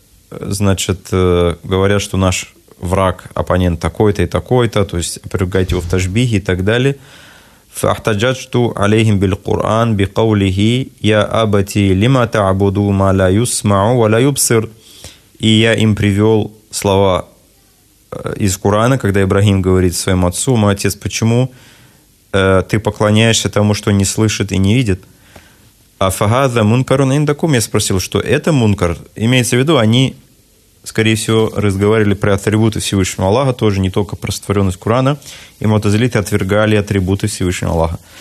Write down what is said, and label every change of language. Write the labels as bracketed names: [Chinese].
[Russian] Значит, говорят, что наш враг, оппонент такой-то и такой-то. То есть, опровергайте его в ташбихе и так далее. [Arabic] فاحتججت عليهم بالقران بقوله يا ابتي لما تعبد ما لا يسمع ولا يبصر. [Russian] И я им привел слова из Корана, когда Ибрахим говорит своему отцу: мой отец, почему ты поклоняешься тому, что не слышит и не видит? [Arabic] А фагаза мункарун индакум, [Russian] я спросил, что это мункар? Имеется в виду, они, скорее всего, разговаривали про атрибуты Всевышнего Аллаха, тоже не только про сотворенность Корана, и мутазилиты отвергали атрибуты Всевышнего Аллаха.